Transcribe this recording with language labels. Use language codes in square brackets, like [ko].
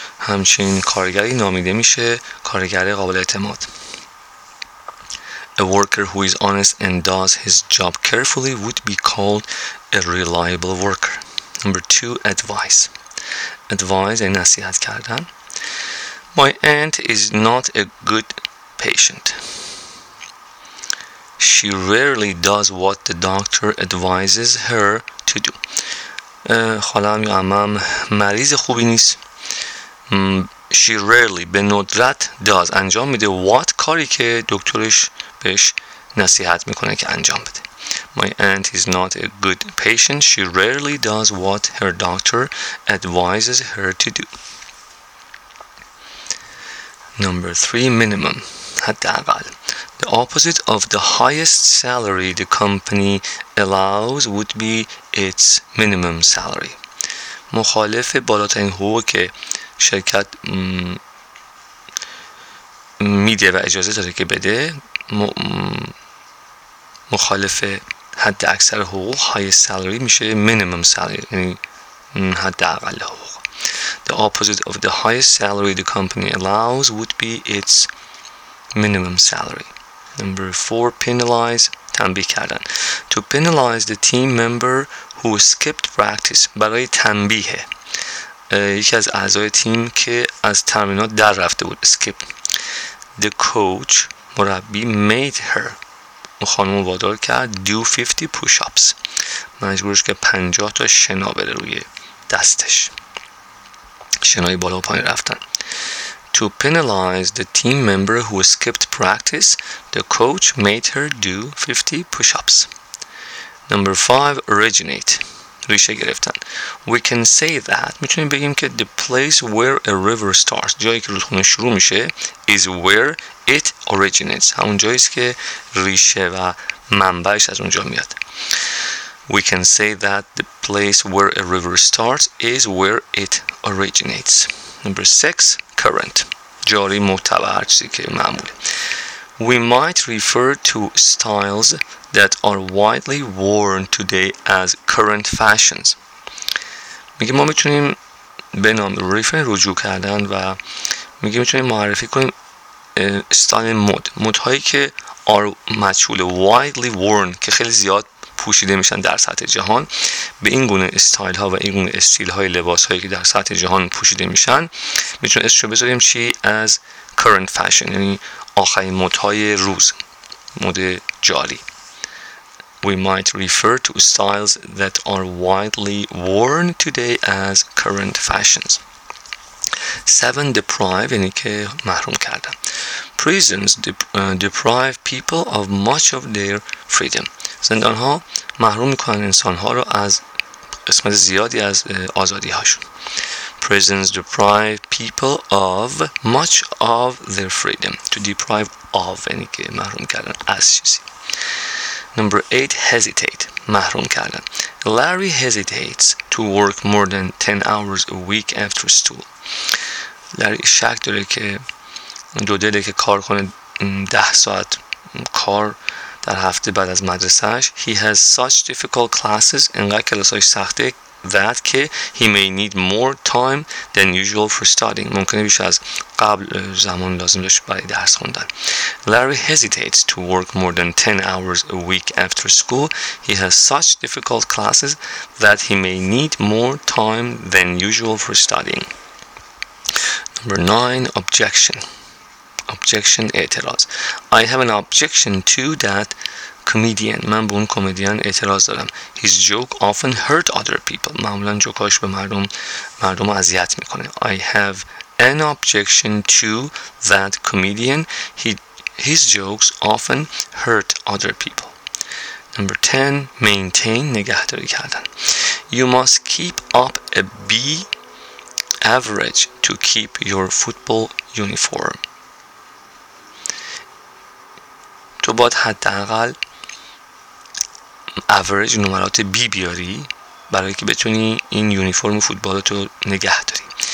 [fa] همچنین کارگری نامیده میشه کارگر قابل اعتماد. [en] A worker who is honest and does his job carefully would be called a reliable worker. Number two, advice. Advise, [fa] نصیحت کردن. [en] My aunt is not a good patient. She rarely does what the doctor advises her to do. [fa] خالم یا عمم مریض خوبی نیست. [en] She rarely, [fa] به ندرت, [en] does, [fa] انجام میده [en] what, [fa] کاری که دکترش بهش نصیحت میکنه که انجام بده. [en] My aunt is not a good patient. She rarely does what her doctor advises her to do. Number three, minimum. [fa] حداقل. [en] The opposite of the highest salary the company allows would be its minimum salary. [fa] مخالف بالاترین حقوق که شرکت میده و اجازه داره که بده، مخالف حد اکثر حقوق، [en] highest salary [fa] میشه [en] minimum salary، [fa] یعنی حداقل حقوق. [en] The opposite of the highest salary the company allows would be its minimum salary. Number four, penalize, [fa] تنبیه کردن. [en] To penalize the team member who skipped practice. [fa] برای تنبیه یکی از اعضای تیم که از تمرینات در رفته بود. [en] Skip. The coach, [fa] مربی, [en] made her. [fa] خانم وادار کرد. [en] Do 50 push-ups. [fa] مجبورش که 50 تا شنا بره روی دستش. شنای بالا و پایین رفتن. [en] To penalize the team member who skipped practice, the coach made her do 50 push-ups. Number 5, originate. [fa] ریشه گرفتن. [en] We can say that. [fa] میتونیم بگیم که [en] the place where a river starts, [fa] جایی که رودخونه شروع میشه, [en] is where it originates. [fa] همون جاییست که ریشه و منبعش از اونجا میاد. [en] We can say that the place where a river starts is where it originates. Number 6, current. [fa] جاری معتبر چیزی که معموله. [en] We might refer to styles that are widely worn today as current fashions. [fa] میگه ما میتونیم به نام ریفر رجوع کردن و میگه میتونیم معرفی کنیم استایل مد. مد هایی که [en] are [fa] مجهول [en] widely worn [fa] که خیلی زیاد پوشیده میشن در سطح جهان. به این گونه استایل ها و این گونه استیل های لباس هایی که در سطح جهان پوشیده میشن میتونیم اسمشو بذاریم چی؟ از [en] current fashion، [fa] یعنی آخرین مد های روز، مد جاری. [en] We might refer to styles that are widely worn today as current fashions. 7. Deprive, [fa] یعنی که محروم کردن. [en] Prisons deprive people of much of their freedom. [fa] زندان ها محروم میکنن انسان ها رو از قسمت زیادی از آزادی هاشون. [en] Prisons deprive people of much of their freedom. To deprive of, [fa] یعنی که محروم کردن از چیزی. [en] Number 8, hesitate, [fa] محروم کردن. [en] Larry hesitates to work more than 10 hours a week after school. [fa] Larry شک داره که دو دلی که کار کنه 10 ساعت کار در هفته بعد از مدرسهش. [en] He has such difficult classes, [fa] انقدر کلاسهاش سخته [en] that [fa] که [en] he may need more time than usual for studying. [fa] ممکنه بیش از قبل زمان لازم داشته برای درس خوندن. [en] Larry hesitates to work more than 10 hours a week after school. He has such difficult classes that he may need more time than usual for studying. Number 9, objection. Objection, [fa] اعتراض. [en] I have an objection to that comedian. [fa] من به اون کمدین اعتراض دارم. [en] His joke often hurt other people. [fa] معمولا جوکاش به مردم اذیت میکنه. [en] I have an objection to that comedian. His jokes often hurt other people. Number 10, maintain, [fa] نگهداری کردن. [en] You must keep up a B average to keep your football uniform. [fa] تو باید حداقل average نمرات B بیاری برای که بتونی این یونیفرم فوتبال تو نگه داری.